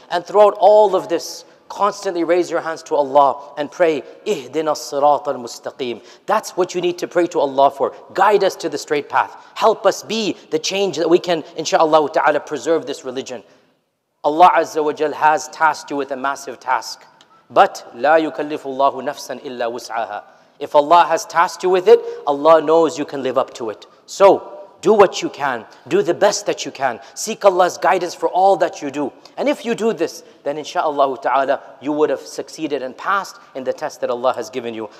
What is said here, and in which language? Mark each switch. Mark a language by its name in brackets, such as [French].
[English] And throughout all of this, constantly raise your hands to Allah and pray, Ihdina as-sirat al-mustaqim. That's what you need to pray to Allah for. Guide us to the straight path. Help us be the change that we can, inshallah ta'ala, preserve this religion. Allah Azza wa Jal has tasked you with a massive task. [Arabic] But لا يكلف الله نفسا إلا وسعها. [English] If Allah has tasked you with it, Allah knows you can live up to it. So do what you can. Do the best that you can. Seek Allah's guidance for all that you do. And if you do this, then inshaAllah ta'ala, you would have succeeded and passed in the test that Allah has given you.